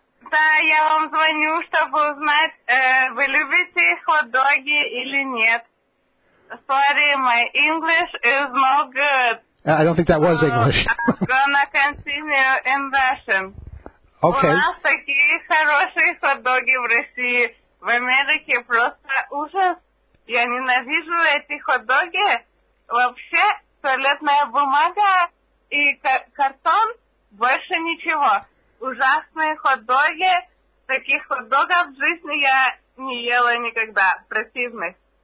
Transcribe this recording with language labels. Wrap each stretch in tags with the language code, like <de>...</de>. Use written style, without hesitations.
<ru>Да, я вам звоню, чтобы узнать, вы любите хот-доги или нет.</ru> <en>Sorry, my English is not good. I don't think that was English. I'm gonna continue in Russian. Okay.</en> <ru>У нас такие хорошие хот-доги в России. В Америке просто ужас. Я ненавижу эти хот-доги. Вообще, туалетная бумага и картон, больше ничего. Ужасные хот-доги. Таких хот-догов в жизни я не ела никогда. Противных.</ru>